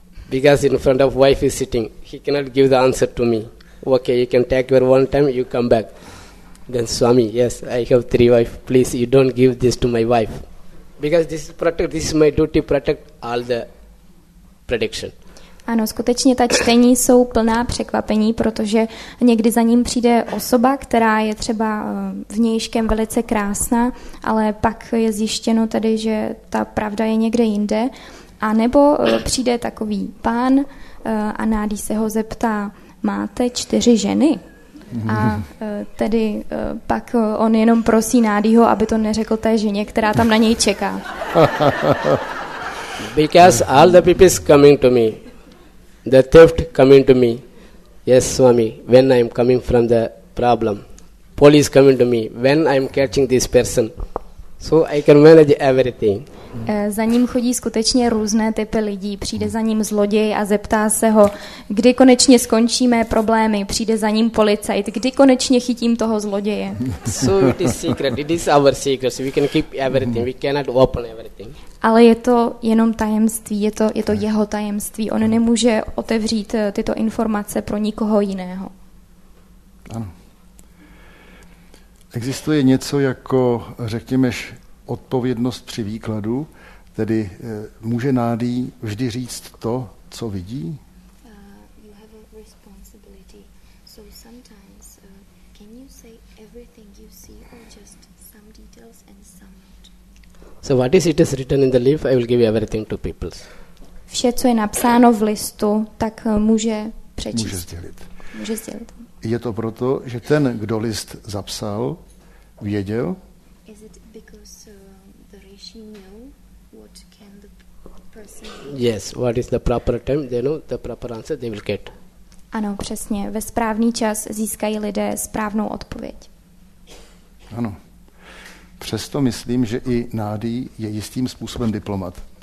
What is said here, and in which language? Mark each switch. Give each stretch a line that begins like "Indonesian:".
English: Because in front of wife is sitting, he cannot give the answer to me. Okay, you can take your 1 time, you come back. Then Swami, yes, I have 3 wives. Please, you don't give this to my wife. Because this is protect, this is my duty, protect all the prediction.
Czech: Ano, skutečně ta čtení jsou plná překvapení, protože někdy za ním přijde osoba, která je třeba vnějškem velice krásná, ale pak je zjištěno tedy, že ta pravda je někde jinde. A nebo přijde takový pán a Nádí se ho zeptá, máte 4 ženy? A tedy pak on jenom prosí Nádýho, aby to neřekl té ženě, která tam na něj čeká.
English: Because all the people is coming to me. The theft coming to me. Yes, Swami, when I am coming from the problem. Police coming to me. When I am catching this person. So I can manage everything.
Czech: Za ním chodí skutečně různé typy lidí. Přijde za ním zloděj a zeptá se ho, kdy konečně skončí mé problémy. Přijde za ním policajt, kdy konečně chytím toho zloděje.
English: So it is secret. It is our secret. We can keep everything. We cannot open everything.
Czech: Ale je to jenom tajemství. Je to jeho tajemství. On nemůže otevřít tyto informace pro nikoho jiného. Ano. Existuje něco jako, řekněme, odpovědnost při výkladu, tedy může Nádý vždy říct to, co vidí?
English: You have a responsibility. So sometimes can you say everything you see or just some details and some not? So what is it is written in the leaf, I will give everything to people.
Czech: Vše, co je napsáno v listu, tak může přečíst. Může sdělit. Může sdělit. Je to proto, že ten, kdo list zapsal, věděl?
English: Is it because the rishi know what can the person do? Yes, what is the proper time, they know the proper answer they will get.
Czech: Ano, přesně, ve správný čas získají lidé správnou odpověď. Ano. Přesto myslím, že i Nádý je jistým způsobem diplomat.